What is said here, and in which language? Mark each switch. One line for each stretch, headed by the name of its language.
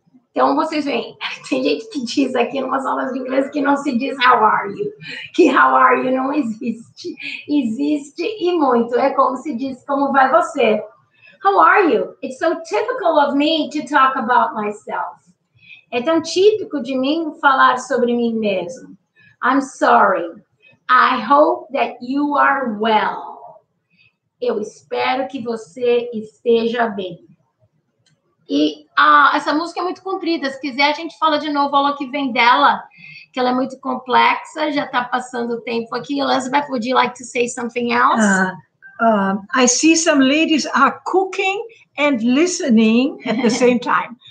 Portuguese: Então, vocês veem, tem gente que diz aqui em umas aulas de inglês que não se diz
English: how are you.
Portuguese: Que
English: how are you
Portuguese: não existe. Existe e muito. É como se diz como vai você.
English: How are you? It's so typical of me to talk about myself.
Portuguese: É tão típico de mim falar sobre mim mesmo.
English: I'm sorry. I hope that you are well.
Portuguese: Eu espero que você esteja bem. E essa música é muito comprida. Se quiser, a gente fala de novo a aula que vem dela, que ela é muito complexa, já está passando o tempo aqui.
English: Elizabeth, would you like to say something else? I see some ladies are cooking and listening at the same time.